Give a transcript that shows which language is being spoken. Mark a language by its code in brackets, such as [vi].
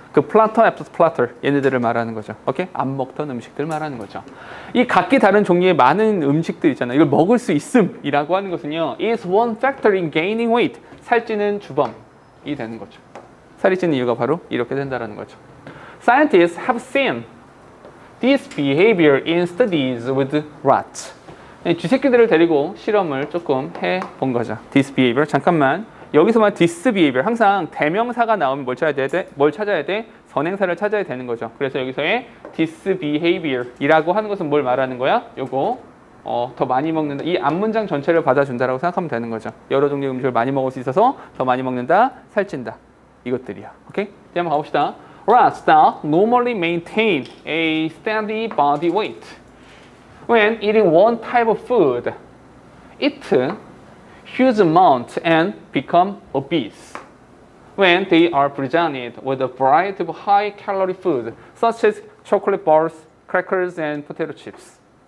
[ko] 그 platter after platter 얘네들을 말하는 거죠. 오케이? 안 먹던 음식들 말하는 거죠. 이 각기 다른 종류의 많은 음식들 있잖아요. 이걸 먹을 수 있음이라고 하는 것은요. [en] is one factor in gaining weight. [ko] 살찌는 주범이 되는 거죠. 살이 찌는 이유가 바로 이렇게 된다라는 거죠. [en] Scientists have seen this behavior in studies with rats. [ko] 쥐새끼들을 데리고 실험을 조금 해본 거죠. [en] This behavior. [ko] 잠깐만. 여기서만 [en] this behavior. [ko] 항상 대명사가 나오면 뭘 찾아야 돼? 뭘 찾아야 돼? 선행사를 찾아야 되는 거죠. 그래서 여기서의 this behavior 이라고 하는 것은 뭘 말하는 거야? 요거. 더 많이 먹는다. 이 앞문장 전체를 받아준다라고 생각하면 되는 거죠. 여러 종류의 음식을 많이 먹을 수 있어서 더 많이 먹는다. 살찐다. 이것들이야. 오케이? 이제 한번 가봅시다. [en] Rats that normally maintain a steady body weight when eating one type of food eat huge amount and become obese when they are presented with a variety of high calorie food such as chocolate bars, crackers, and potato chips.